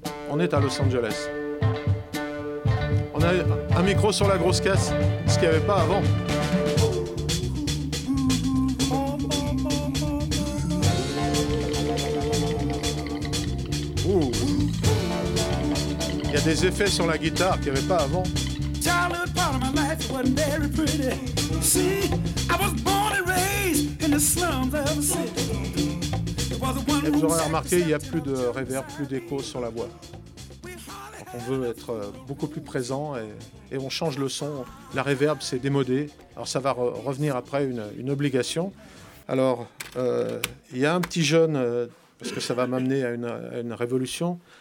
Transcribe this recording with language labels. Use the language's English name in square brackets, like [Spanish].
[French] On est à Los Angeles. On a un micro sur la grosse caisse, ce qu'il n'y avait pas avant. Il y a des effets sur la guitare qu'il n'y avait pas avant. [English] Childhood part of my life wasn't very pretty. See, I was born and raised in the slums of the city. [French] Et vous aurez remarqué, il n'y a plus de reverb, plus d'écho sur la voix. Donc on veut être beaucoup plus présent et on change le son. La reverb, c'est démodé. Alors ça va revenir après une obligation. Alors, il y a un petit jeune, parce que ça va m'amener à une révolution.